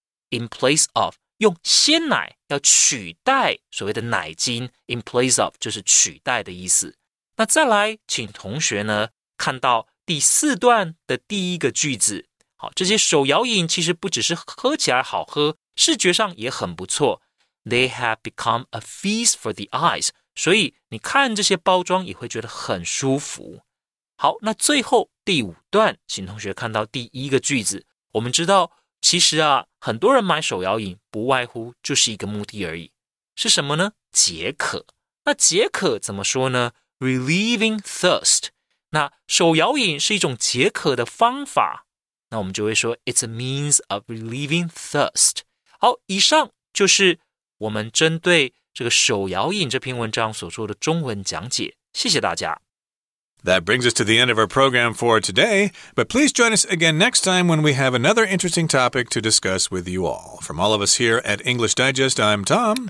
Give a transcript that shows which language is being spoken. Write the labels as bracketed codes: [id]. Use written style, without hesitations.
[en] In place of， [zh] 用鲜奶要取代所谓的奶精， [en] in place of [zh] 就是取代的意思。那再来，请同学呢看到第四段的第一个句子。好，这些手摇饮其实不只是喝起来好喝，视觉上也很不错。 [en] They have become a feast for the eyes， [zh] 所以你看这些包装也会觉得很舒服。好，那最后第五段，请同学看到第一个句子。我们知道其实啊，很多人买手摇饮不外乎就是一个目的而已。是什么呢？解渴。那解渴怎么说呢？ [en] Relieving thirst。 [zh] 那手摇饮是一种解渴的方法，那我们就会说 [en] It's a means of relieving thirst。 [zh] 好，以上就是我们针对这个手摇饮这篇文章所做的中文讲解，谢谢大家。 [en] That brings us to the end of our program for today, but please join us again next time when we have another interesting topic to discuss with you all. From all of us here at English Digest, I'm Tom.